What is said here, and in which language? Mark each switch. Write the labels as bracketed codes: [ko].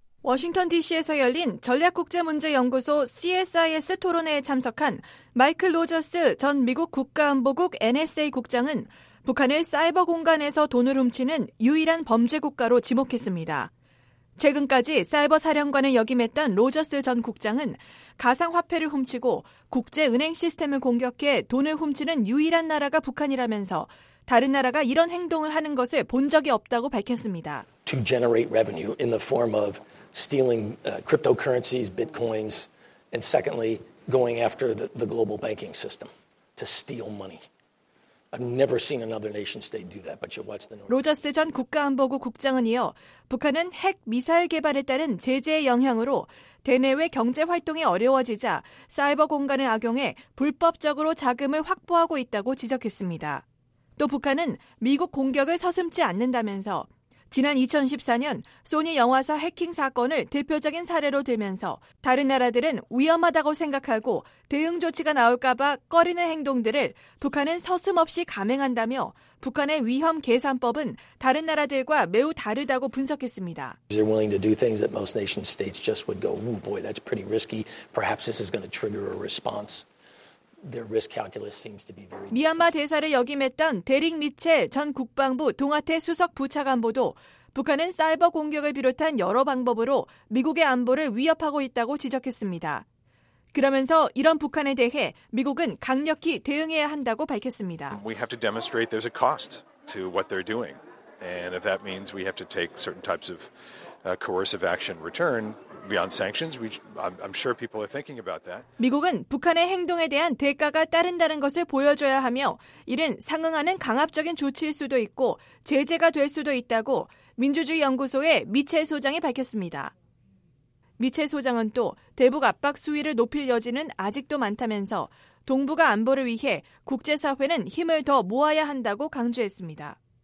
[ko] 워싱턴 DC에서 열린 전략국제문제연구소 CSIS 토론회에 참석한 마이클 로저스 전 미국 국가안보국 NSA 국장은 북한을 사이버 공간에서 돈을 훔치는 유일한 범죄 국가로 지목했습니다. 최근까지 사이버 사령관을 역임했던 로저스 전 국장은 가상화폐를 훔치고 국제은행 시스템을 공격해 돈을 훔치는 유일한 나라가 북한이라면서 다른 나라가 이런 행동을 하는 것을 본 적이 없다고 밝혔습니다. [en] To generate revenue in the form of stealing cryptocurrencies, bitcoins, and secondly, going after the global banking system to steal money. I've never seen another nation state do that, but you watch the North. [ko] 로저스 전 국가안보국 국장은 이어 북한은 핵 미사일 개발에 따른 제재의 영향으로 대내외 경제 활동이 어려워지자 사이버 공간을 악용해 불법적으로 자금을 확보하고 있다고 지적했습니다. 또 북한은 미국 공격을 서슴지 않는다면서 지난 2014년 소니 영화사 해킹 사건을 대표적인 사례로 들면서 다른 나라들은 위험하다고 생각하고 대응 조치가 나올까 봐 꺼리는 행동들을 북한은 서슴없이 감행한다며 북한의 위험 계산법은 다른 나라들과 매우 다르다고 분석했습니다. [en] They're willing to do things that most nation states just would go, "Oh boy, that's pretty risky. Perhaps this is going to trigger a response." Their risk calculus seems to be very [ko] 미얀마 대사를 역임했던 데릭 미첼 전 국방부 동아태 수석 부차관보도 북한은 사이버 공격을 비롯한 여러 방법으로 미국의 안보를 위협하고 있다고 지적했습니다. 그러면서 이런 북한에 대해 미국은 강력히 대응해야 한다고 밝혔습니다. [en] We have to demonstrate there's a cost to what they're doing. And if that means we have to take certain types of coercive action return beyond sanctions, I'm sure people are thinking about that. [ko] 미국은 북한의 행동에 대한 대가가 따른다는 것을 보여줘야 하며 이는 상응하는 강압적인 조치일 수도 있고 제재가 될 수도 있다고 민주주의 연구소의 미첼 소장이 밝혔습니다. 미첼 소장은 또 대북 압박 수위를 높일 여지는 아직도 많다면서 동북아 안보를 위해 국제사회는 힘을 더 모아야 한다고 강조했습니다.